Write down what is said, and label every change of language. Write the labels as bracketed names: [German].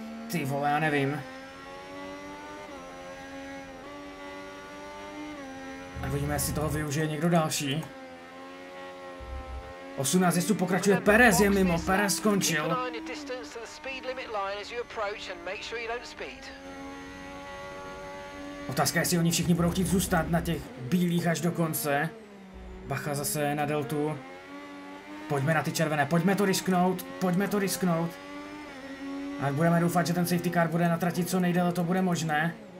[Czech] Ty vole, já nevím. A uvidíme, jestli toho využije někdo další. 18 jezdců pokračuje, Perez je mimo, Perez skončil. [English] limit line as you approach and make sure you don't speed. [Czech] Otázka, jestli oni všichni budou chtít zůstat na těch bílých až do konce. Bacha zase na deltu. Pojďme na ty červené, pojďme to risknout. A budeme doufat, že ten safety car bude na trati co nejdéle, to bude možné.